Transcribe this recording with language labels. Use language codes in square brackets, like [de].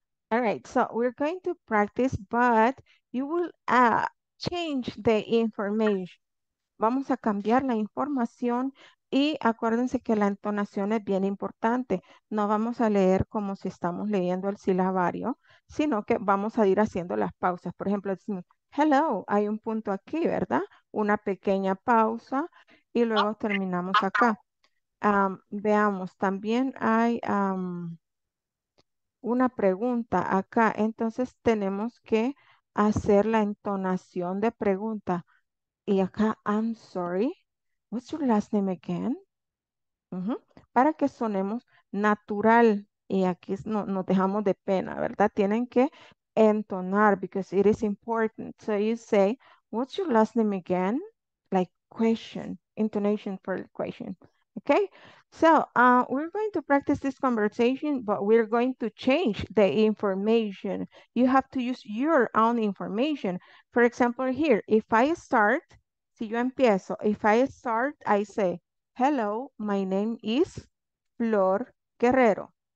[en] All right, so we're going to practice, but you will change the information. [es] Vamos a cambiar la información y acuérdense que la entonación es bien importante. No vamos a leer como si estamos leyendo el silabario, sino que vamos a ir haciendo las pausas. Por ejemplo, decimos, hello, hay un punto aquí, ¿verdad? Una pequeña pausa y luego terminamos acá. Veamos, también hay una pregunta acá. Entonces tenemos que hacer la entonación de pregunta. Y acá, [en] I'm sorry, what's your last name again? [es] Para que sonemos natural y aquí no nos dejamos de pena, ¿verdad? Tienen que entonar [en] because it is important. So you say, what's your last name again? Like question, intonation for question. Okay, so we're going to practice this conversation, but we're going to change the information. You have to use your own information. For example, here, if I start, [es] si yo empiezo, [en] if I start, I say, hello, my name is Flor Guerrero.